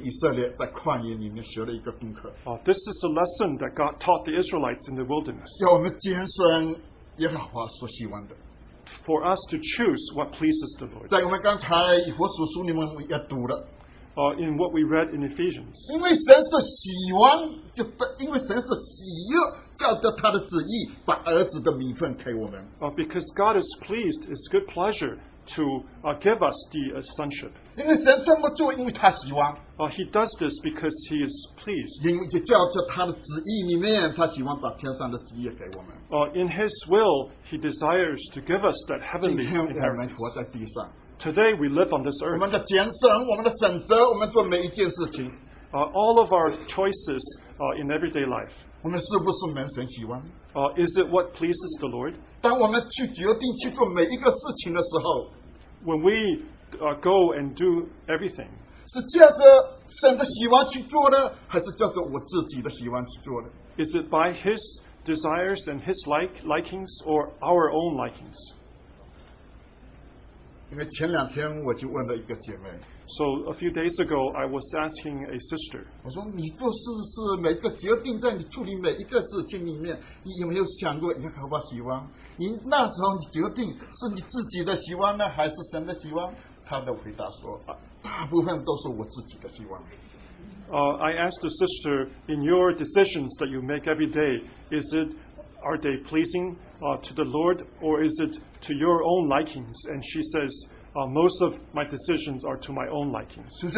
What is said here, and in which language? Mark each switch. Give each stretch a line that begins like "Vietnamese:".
English: This is the lesson that God taught the Israelites in the wilderness. For us to choose what pleases the Lord. In what we read in Ephesians.
Chinese: 因为神是喜欢,就,因为神是喜悦,照着他的旨意,把儿子的名分给我们。
English: Because God is pleased, it's good pleasure to give us the sonship.
Chinese: 因为神这么做,因为他喜欢。
English: He does this because he is pleased.
Chinese: 因为就照着他的旨意里面,他喜欢把天上的旨意给我们。
English: In his will, he desires to give us that heavenly inheritance. Today we live on this earth.
Chinese: 我们的拣选, 我们的选择, 我们做每一件事情,
English: all of our choices in everyday life.
Chinese: 我们是不是蒙神喜欢?
English: Is it what pleases the Lord?
Chinese: 当我们去决定去做每一个事情的时候,
English: when we go and do everything,
Chinese: 是叫着神的喜欢去做的, 还是叫着我自己的喜欢去做的?
English: Is it by his desires and his likings or our own likings? So a few days ago, I was asking a sister.
Chinese: 我说你做事是每个决定在你处理每一个事情里面，你有没有想过耶和华喜欢？你那时候你决定是你自己的喜欢呢，还是神的喜欢？他的回答说，大部分都是我自己的喜欢。
English: I asked the sister, in your decisions that you make every day, are they pleasing to the Lord or is it to your own likings? And she says, most of my decisions are to my own likings.